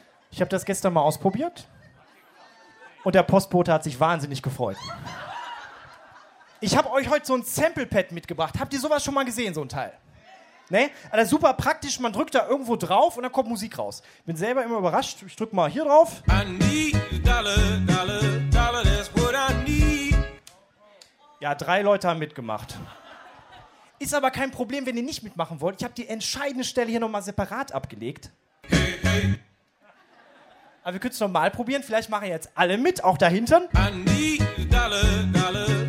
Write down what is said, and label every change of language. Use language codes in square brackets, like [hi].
[de] Ich habe das gestern mal ausprobiert. Und der Postbote hat sich wahnsinnig gefreut. Ich habe euch heute so ein Sample-Pad mitgebracht. Habt ihr sowas schon mal gesehen, so ein Teil? Ne? Also super praktisch, man drückt da irgendwo drauf und dann kommt Musik raus. Bin selber immer überrascht, ich drück mal hier drauf. [en] I need a dollar, dollar, dollar, that's what I need. [de] Ja, drei Leute haben mitgemacht. Ist aber kein Problem, wenn ihr nicht mitmachen wollt. Ich habe die entscheidende Stelle hier nochmal separat abgelegt. Hey, hey. Aber wir können es nochmal probieren. Vielleicht machen jetzt alle mit, auch da hinten. [en] I need a dollar, dollar.